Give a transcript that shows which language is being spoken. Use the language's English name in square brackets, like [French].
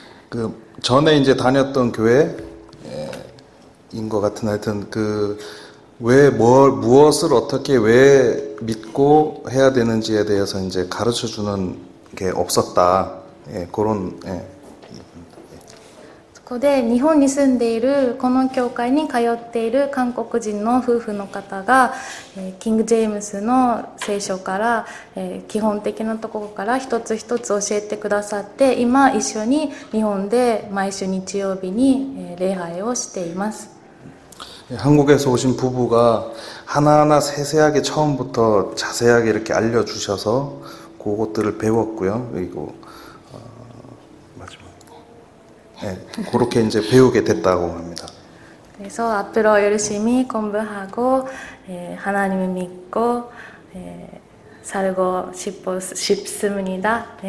[Korean] 다녔던 전에 이제 다녔던 교회인 것 같은 하여튼 무엇을 어떻게 왜 믿고 해야 되는지에 대해서 이제 가르쳐 주는 게 없었다. 예, 그런 예. [Japanese] そこで日本に住んでいるこの教会に通っている韓国人の夫婦の方が、キング・ジェームスの聖書から、基本的なところから一つ一つ教えてくださって、今一緒に日本で毎週日曜日に、礼拝をしています。 [Korean] 한국에서 오신 부부가 하나하나 세세하게 처음부터 자세하게 이렇게 알려주셔서 그것들을 배웠고요. 그리고, 그렇게 이제 배우게 됐다고 합니다. 그래서 앞으로 열심히 공부하고, 하나님을 믿고, 살고 싶습니다.